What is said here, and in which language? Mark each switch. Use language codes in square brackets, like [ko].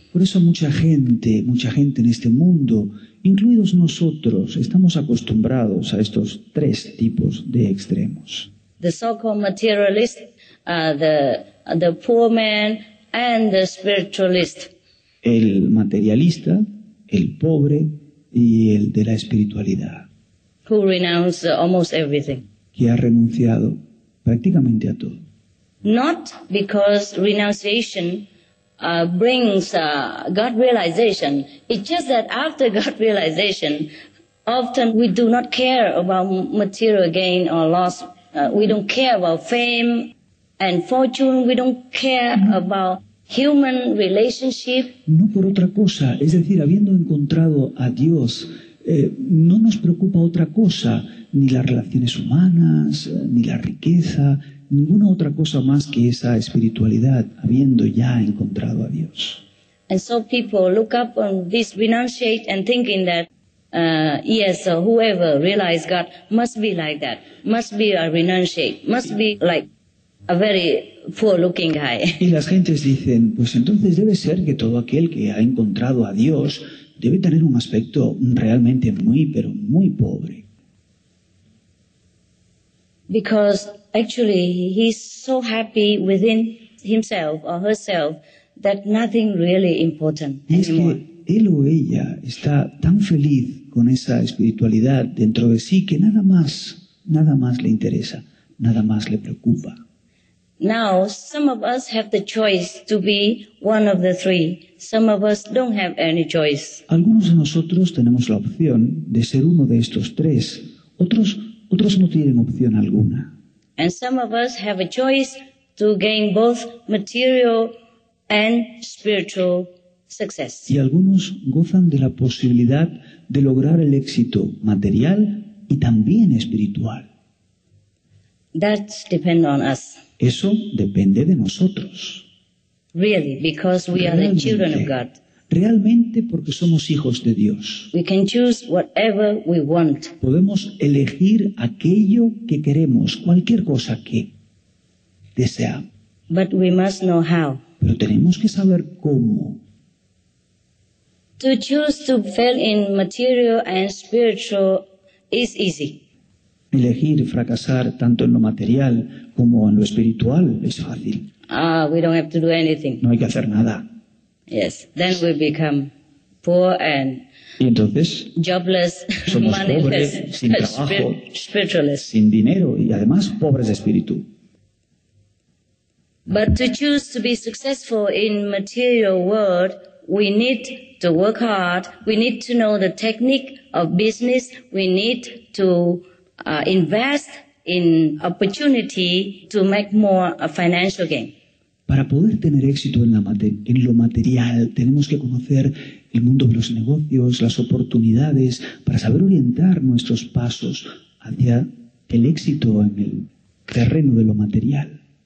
[es] Por eso mucha gente en este mundo, incluidos nosotros, estamos acostumbrados a estos tres tipos de extremos. [en] The so-called materialist, the poor man, and the spiritualist. [es] El materialista, el pobre y el de la espiritualidad. [en] Who renounced almost everything. [es] Que ha renunciado prácticamente a todo. [en] Not because renunciation brings God realization. It's just that after God realization, often we do not care about material gain or loss. We don't care about fame and fortune. We don't care about human relationship. [es] No por otra cosa. Es decir, habiendo encontrado a Dios, no nos preocupa otra cosa, ni las relaciones humanas, ni la riqueza. Ninguna otra cosa más que esa espiritualidad, habiendo ya encontrado a Dios. [en] And so people look up on this renunciate and thinking that yes, or whoever realized God must be like that, must be a renunciate, must be like a very poor looking guy. [es] Y las gentes dicen, pues entonces debe ser que todo aquel que ha encontrado a Dios debe tener un aspecto realmente muy, pero muy pobre. [en] Because actually, he's so happy within himself or herself that nothing really important anymore. [es] Es que él o ella está tan feliz con esa espiritualidad dentro de sí que nada más le interesa, nada más le preocupa. [en] Now, some of us have the choice to be one of the three. Some of us don't have any choice. [es] Algunos de nosotros tenemos la opción de ser uno de estos tres. Otros no tienen opción alguna. [en] And some of us have a choice to gain both material and spiritual success. [es] Y algunos gozan de la posibilidad de lograr el éxito material y también espiritual. [en] That depends on us. [es] Eso depende de nosotros. [en] Really, because we are the children of God. [es] Realmente porque somos hijos de Dios. [en] We can choose whatever we want. [es] Podemos elegir aquello que queremos, cualquier cosa que deseamos. [en] But we must know how. [es] Pero tenemos que saber cómo. [en] To choose to fail in material and spiritual is easy. [es] Elegir fracasar tanto en lo material como en lo espiritual es fácil. [en] We don't have to do anything. [es] No hay que hacer nada. [en] Yes, then we become poor and [es] y entonces, [en] jobless, moneyless, [es] pobres, sin trabajo, [en] spiritualist. [es] Sin dinero y además pobres de espíritu. [en] But to choose to be successful in material world, we need to work hard, we need to know the technique of business, we need to invest in opportunity to make more a financial gain. [es] Para poder tener éxito en lo material, tenemos que conocer el mundo de los negocios, las oportunidades, para saber orientar nuestros pasos hacia el éxito en el terreno de lo material.